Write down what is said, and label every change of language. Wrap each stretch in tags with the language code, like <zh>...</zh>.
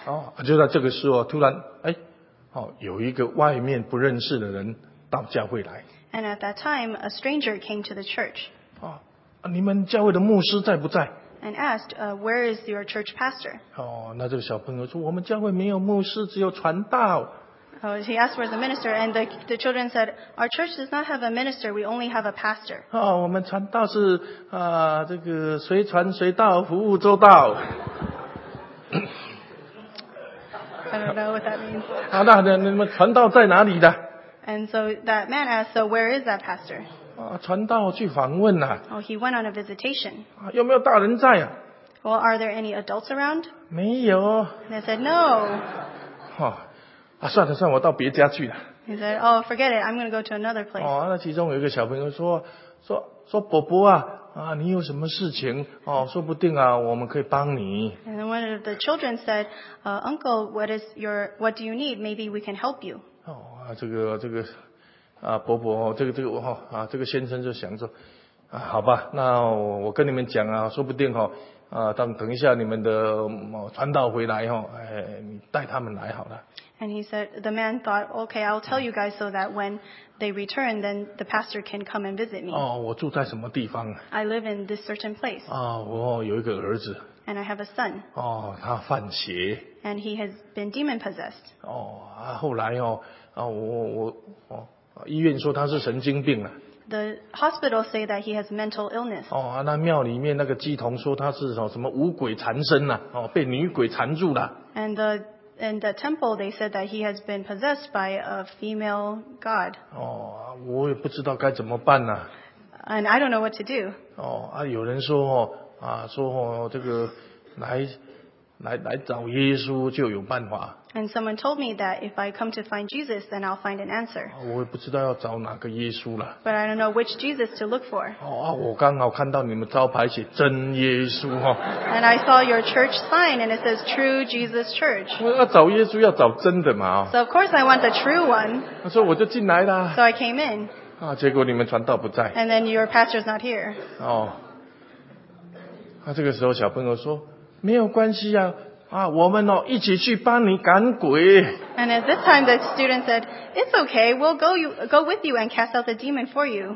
<zh>哦，就在这个时候，突然，哎，哦，有一个外面不认识的人到教会来。</zh> <en>And at that time, a stranger came to the church.</en> <zh>哦，你们教会的牧师在不在</zh> <en>？And asked, "Where is your church pastor?"</en> <zh>哦，那这个小朋友说，我们教会没有牧师，只有传道。</zh> <en>Oh, he asked where the minister, and the children said, "Our church does not have a minister. We only have a pastor."</en> <zh>哦，我们传道是这个随传随到，服务周到。</zh> <en>I don't know what that means.</en> <zh>好的，你们传道在哪里的？</zh> <en>And so that man asked, so where is that pastor?</en> <zh>啊，传道去访问啊。</zh> <en>Oh, he went on a visitation.</en> <zh>啊，有没有大人在啊</zh> <en>？Well, are there any adults around?</en> <zh>没有。</zh> <en>They said no.</en> <zh>啊，算了算了，我到别家去了。</zh> <en>He said, oh, forget it. I'm going to go to another place.</en> <zh>哦，那其中有一个小朋友说伯伯啊。啊，你有什么事情？哦，说不定啊，我们可以帮你。</zh> <en>And one of the children said, "Uncle, what do you need? Maybe we can help you."</en> <zh>哦，这个伯伯，这个哈啊，这个先生就想说，啊，好吧，那我跟你们讲啊，说不定哈啊，等一下你们的传道回来哈，哎，你带他们来好了。</zh> <en>And he said, the man thought, okay, I'll tell you guys so that when they return, then the pastor can come and visit me.</en> <zh>哦，我住在什么地方？</zh> <en>I live in this certain place.</en> <zh>啊，我有一个儿子。</zh> <en>And I have a son.</en> <zh>哦，他犯邪。</zh> <en>And he has been demon possessed.</en> <zh>哦，啊，后来哦，啊，我医院说他是神经病了。</zh> <en>The hospital say that he has mental illness.</en> <zh>哦，那庙里面那个乩童说他是什么五鬼缠身了，哦，被女鬼缠住了。</zh> <en>And the in the temple, they said that he has been possessed by a female god.</en> <zh>哦，我也不知道该怎么办呢。</zh> <en>And I don't know what to do.</en> <zh>哦，啊，有人说哦，啊，说哦，这个来找耶稣就有办法。</zh> <en>And someone told me that if I come to find Jesus, then I'll find an answer.</en> <zh>我也不知道要找哪个耶稣了。</zh> <en>But I don't know which Jesus to look for.</en> <zh>哦，啊，我刚好看到你们招牌写真耶稣哈。</zh> <en>And I saw your church sign, and it says True Jesus Church.</en> <zh>我要找耶稣，要找真的嘛。</zh> <en>So of course I want the true one.</en> <zh>所以我就进来了。</zh> <en>So I came in.</en> <zh>啊，结果你们传道不在。</zh> <en>And then your pastor's not here.</en> <zh>哦，啊，这个时候小朋友说，没有关系啊。啊，我们哦一起去帮你赶鬼。</zh> <en>And at this time, the student said, "It's okay, we'll go with you and cast out the demon for you."</en>